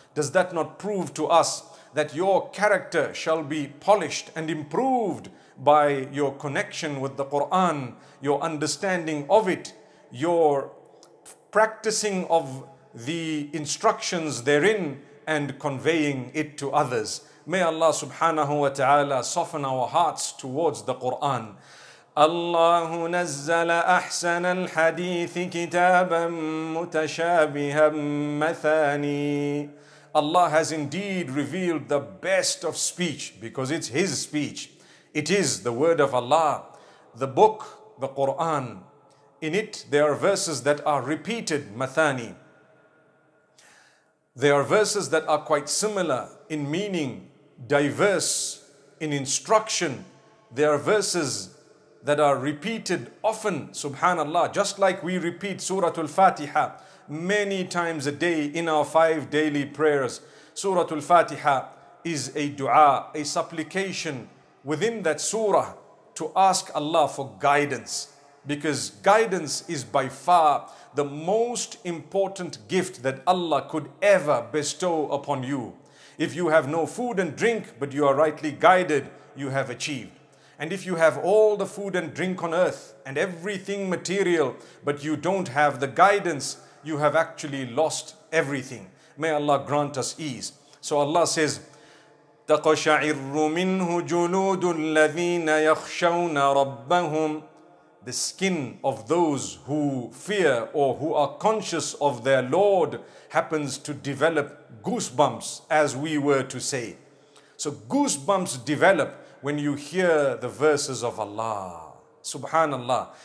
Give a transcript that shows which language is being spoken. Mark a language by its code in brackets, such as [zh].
[en] Does that not prove to us that your character shall be polished and improved by your connection with the Quran, your understanding of it, your practicing of the instructions therein and conveying it to others? May Allah subhanahu wa ta'ala soften our hearts towards the Quran. [ar] الله نزل أحسن الحديث كتابا متشابها مثاني. [en] Allah has indeed revealed the best of speech, because it's His speech. It is the word of Allah, the book, the Quran. In it, there are verses that are repeated, mathani. There are verses that are quite similar in meaning, diverse in instruction. There are verses that are repeated often, subhanallah, just like we repeat Surah Al-Fatiha many times a day in our five daily prayers. Surah Al-Fatiha is a dua, a supplication within that surah to ask Allah for guidance, because guidance is by far the most important gift that Allah could ever bestow upon you. If you have no food and drink, but you are rightly guided, you have achieved. And if you have all the food and drink on earth and everything material, but you don't have the guidance, you have actually lost everything. May Allah grant us ease. So Allah says, [ar] تَقَشَعِرُّ مِنْهُ جُلُودُ الَّذِينَ يَخْشَوْنَ رَبَّهُمْ. [en] The skin of those who fear or who are conscious of their Lord happens to develop goosebumps, as we were to say. So goosebumps develop when you hear the verses of Allah. Subhanallah.